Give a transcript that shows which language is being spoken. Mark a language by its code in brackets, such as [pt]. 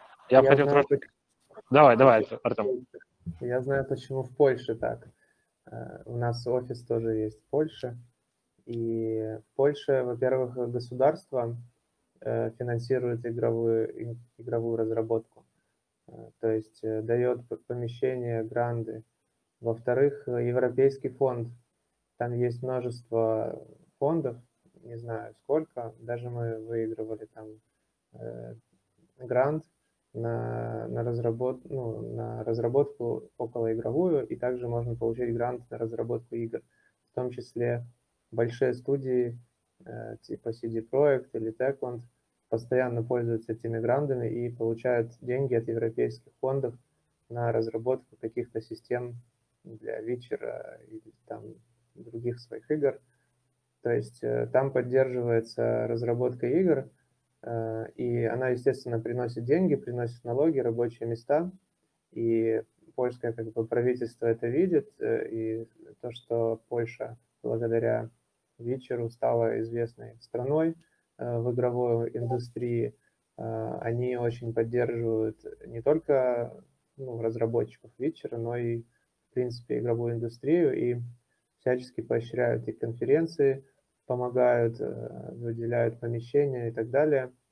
[uk] Я хотів трошки... Давай, Артем. Я знаю, чому в Польщі так. У нас офіс теж є в Польщі. І Польща, [ru] во-первых, государство [uk] фінансує ігрову розробку. [ru] То есть дает помещение, гранды. Во-вторых, Европейский фонд. Там есть множество фондов, не знаю сколько. Даже мы выигрывали там грант на разработку околоигровую. И также можно получить грант на разработку игр. В том числе большие студии типа CD Projekt или Techland постоянно пользуются этими грандами и получают деньги от европейских фондов на разработку каких-то систем для Witcher или там других своих игр. То есть там поддерживается разработка игр, и она, естественно, приносит деньги, приносит налоги, рабочие места. И польское как бы правительство это видит, и то, что Польша благодаря Witcher стала известной страной в игровой индустрии, они очень поддерживают не только разработчиков Witcher, но и, в принципе, игровую индустрию, и всячески поощряют и конференции, помогают, выделяют помещения и так далее.